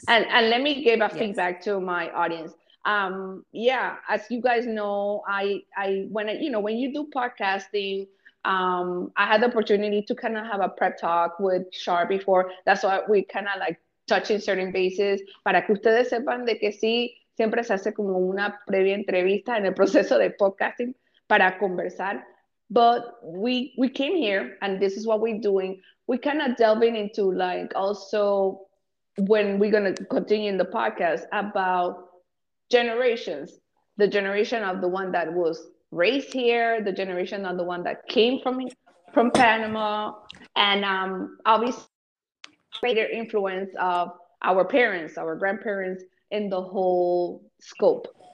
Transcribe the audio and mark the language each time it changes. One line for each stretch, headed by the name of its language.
English: And let me give a yes. feedback to my audience. Yeah, as you guys know, when you do podcasting, I had the opportunity to kind of have a prep talk with Char before. That's why we kind of like touching certain bases.
Spanish: Para que ustedes sepan de que sí, siempre se hace como una previa entrevista en el proceso de podcasting para conversar.
English: But we came here, and this is what we're doing. We kind of delving into, like, also when we're going to continue in the podcast about generations, the generation of the one that was raised here, the generation of the one that came from Panama, and obviously greater influence of our parents, our grandparents, in the whole scope.